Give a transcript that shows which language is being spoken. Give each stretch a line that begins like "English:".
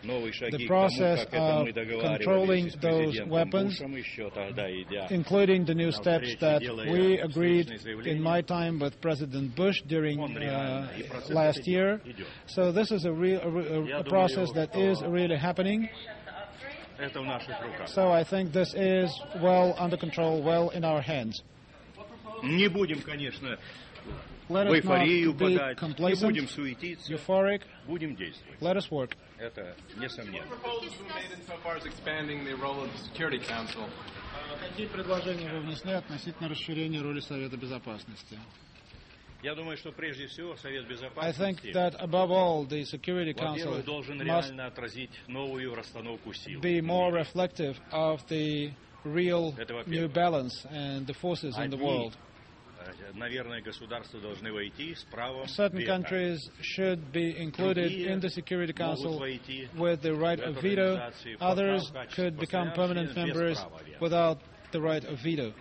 English: The process of controlling those weapons, including the new steps that we agreed in my time with President Bush during last year. So this is a process that is really happening. So I think this is well under control, well in our hands.
Russian: Не будем, конечно, в эйфорию подать, не будем суетиться,
English: euphoric.
Russian: Будем действовать.
English: Let us work.
Russian: Это несомненно.
English: What proposals have you made in so far as expanding the role of the Security Council?
Russian: Какие предложения вы внесли относительно расширения роли Совета Безопасности? Я думаю, что прежде всего Совет Безопасности.
English: I think that above all the Security Council must
Russian: реально отразить новую расстановку сил.
English: Be more reflective of the real new balance and the forces in the world.
Russian: Наверное, государства должны войти с правом.
English: Certain countries should be included in the Security Council with the right of veto. Others could become permanent members without the right of veto.